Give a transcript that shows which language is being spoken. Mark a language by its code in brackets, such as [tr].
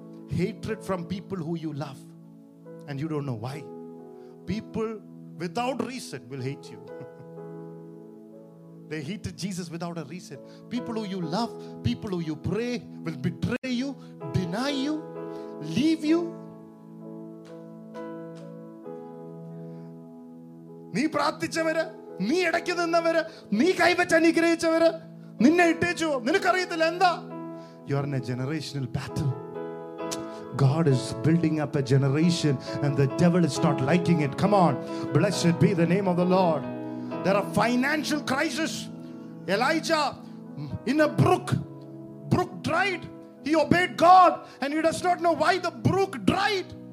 [en] Hatred from people who you love and you don't know why. People without reason will hate you. They hated Jesus without a reason. People who you love, people who you pray, will betray you, deny you, leave you. [ml] നീ പ്രാർത്ഥിച്ചവര്, നീ ഇടയ്ക്ക് നിന്നവര്, നീ കൈവച്ച് അനുഗ്രഹിച്ചവര്, നിന്നെ ഇട്ടേച്ചു, നിനക്കറിയത്തില്ല എന്താ. [en] You are in a generational battle. God is building up a generation and the devil is not liking it. Come on. Blessed be the name of the Lord. There are financial crises. Elijah in a brook dried. He obeyed God and he does not know why the brook dried.